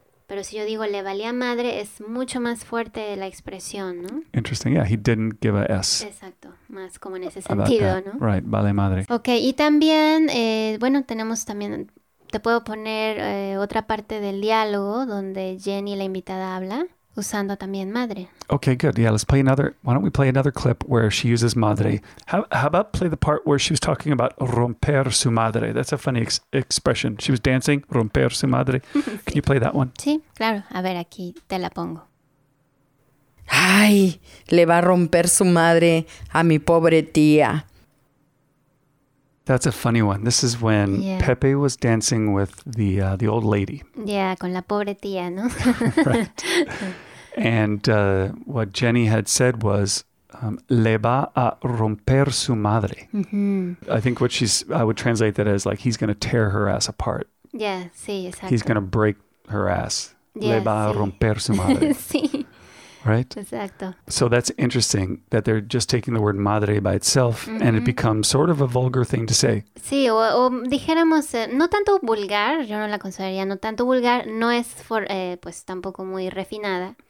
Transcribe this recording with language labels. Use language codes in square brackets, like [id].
[es] Pero si yo digo le valía madre, es mucho más fuerte la expresión, ¿no? [en] Interesting. Yeah, he didn't give a S. [es] Exacto. Más como en ese sentido, ¿no? [en] Right, vale madre. [es] Okay, y también, bueno, tenemos también, te puedo poner otra parte del diálogo donde Jenny, la invitada, habla usando también madre. [en] Okay, good. Yeah, let's play another. Why don't we play another clip where she uses madre? How about play the part where she was talking about romper su madre? That's a funny expression. She was dancing, romper su madre. Can you play that one? [es] Sí, claro. A ver, aquí te la pongo. Ay, le va a romper su madre a mi pobre tía. [en] That's a funny one. This is when Pepe was dancing with the old lady. [es] Yeah, con la pobre tía, ¿no? [en] And what Jenny had said was, [es] le va a romper su madre. Mm-hmm. [en] I think what she's, I would translate that as like, he's going to tear her ass apart. [es] Yeah, sí, exacto. [en] He's going to break her ass. Yeah, [es] le va a romper su madre. Sí. [en] Right? [es] Exacto. [en] So that's interesting that they're just taking the word madre by itself and it becomes sort of a vulgar thing to say. [es] Sí, o dijéramos, no tanto vulgar, yo no la consideraría, no tanto vulgar, no es for, pues tampoco muy refinada.